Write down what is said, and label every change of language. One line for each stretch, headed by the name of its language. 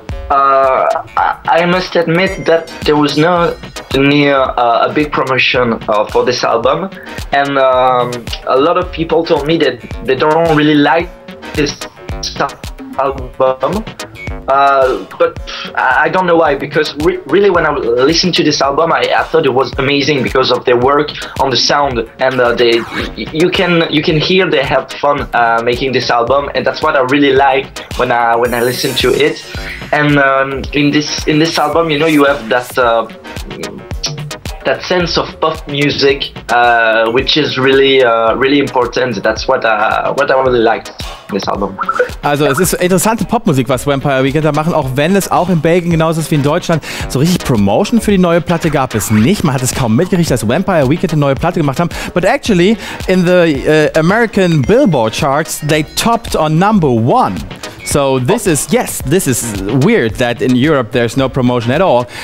English: I must admit that there was no near a big promotion for this album, and a lot of people told me that they don't really like this album, but I don't know why, because really when I listened to this album, I thought it was amazing because of their work on the sound, and you can hear they have fun making this album, and that's what I really like when I listen to it. And in this album, you know, you have that that sense of pop music, which is really really important. That's what I really liked.
German: Also es ist interessante Popmusik, was Vampire Weekend da machen, auch wenn es auch in Belgien genauso ist wie in Deutschland. So richtig Promotion für die neue Platte gab es nicht. Man hat es kaum mitgerichtet, dass Vampire Weekend eine neue Platte gemacht haben.
English: But actually, in the American Billboard charts, they topped on number one. So this is, yes, this is weird that in Europe there's no promotion at all.